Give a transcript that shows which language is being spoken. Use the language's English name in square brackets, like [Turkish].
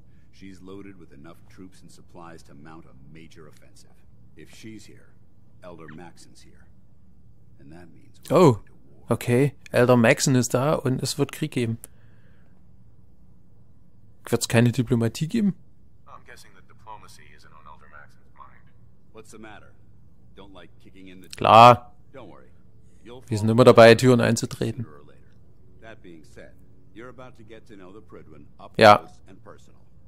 [English] She's loaded with enough troops and supplies to mount a major offensive. If she's here, Elder Maxon's here. And that means we're going to war. Oh, okay. [German] Elder Maxon ist da und es wird Krieg geben. Wird's keine Diplomatie geben? [English] I'm guessing that diplomacy isn't on Elder Maxon's mind. What's the matter? Don't like kicking in the door. Klar. Don't worry. [German] Wir sind immer dabei, Türen einzutreten. [English] That being said, you're about to get to know the Pridwin up close and personal.